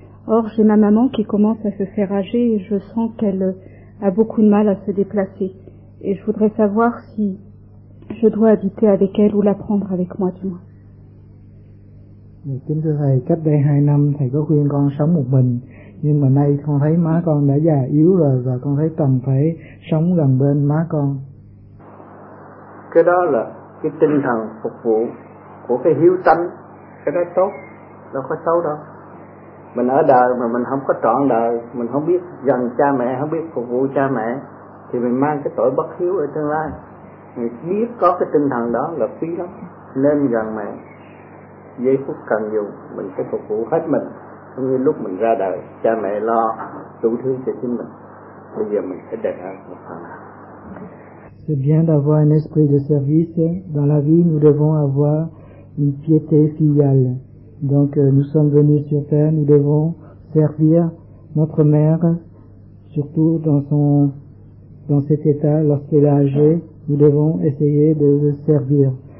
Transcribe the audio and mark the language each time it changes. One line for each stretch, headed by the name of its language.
French: Or, j'ai ma maman qui commence à se faire âgée et je sens qu'elle a beaucoup de mal à se déplacer. Et je voudrais savoir si je dois habiter avec elle ou la prendre avec moi, du moins. Mais
Vietnamese: kính thưa thầy, cách đây 2 năm thầy có khuyên con sống một mình, nhưng mà nay con thấy má con đã già yếu rồi và con thấy cần phải sống gần bên má con. Cái đó là cái tinh thần phục vụ của cái hiếu tâm, cái đó tốt, đâu có xấu đâu. Mình ở đời mà mình không có trọn đời, mình không biết gần cha mẹ, không biết phục vụ cha mẹ, thì mình mang cái tội bất hiếu ở tương lai. Mình biết có cái tinh thần đó là quý lắm, nên gần mẹ. Giây phút cần dùng, mình sẽ phục vụ hết mình. Cũng như lúc mình ra đời, cha mẹ lo đủ thứ cho chính mình. Bây giờ mình sẽ đền ơn một phần nào.
French: C'est bien d'avoir un esprit de service. Dans la vie, nous devons avoir une piété filiale. Donc, nous sommes venus sur terre, nous devons servir notre mère, surtout dans cet état, lorsqu'elle est âgée, nous devons essayer de servir.